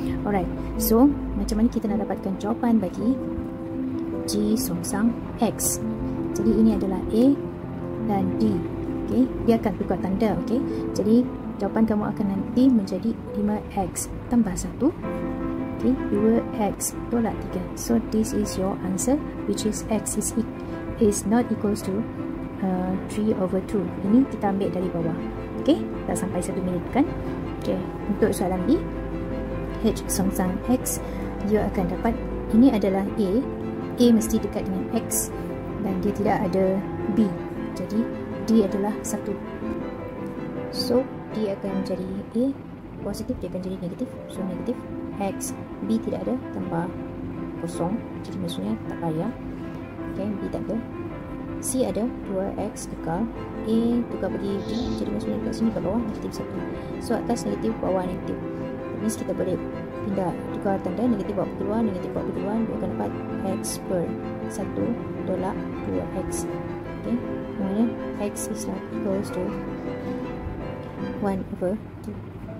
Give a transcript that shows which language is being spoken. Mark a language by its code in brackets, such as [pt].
[ms] Alright, so macam mana kita nak dapatkan jawapan bagi G songsang X? Jadi ini adalah A dan D. Okay, dia akan tukar tanda. Okay, jadi jawapan kamu akan nanti menjadi 5X tambah 1. Okay, 2X tolak 3. [en] So this is your answer, which is X is not equals to 3 over 2. [ms] Ini kita ambil dari bawah. Okay, dah sampai 1 minit kan? Okay, untuk soalan B, H songsang X, you akan dapat, ini adalah A. A mesti dekat dengan X dan dia tidak ada B. Jadi D adalah 1. So D akan jadi A positif, dia akan jadi negatif. So negatif X, B tidak ada, tambah kosong. Jadi maksudnya tak payah. Okay, B tak ada. C ada, 2X tukar. A tukar bagi D. Jadi maksudnya kat sini kat bawah, negatif 1. So atas negatif, bawah negatif. Ini kita boleh pindah tukar tanda. Negatif bawah keluar, negatif bawah keluar. Dia akan dapat X per 1 tolak 2X. [en] Okay, maksudnya X is not equals to 1 over 2.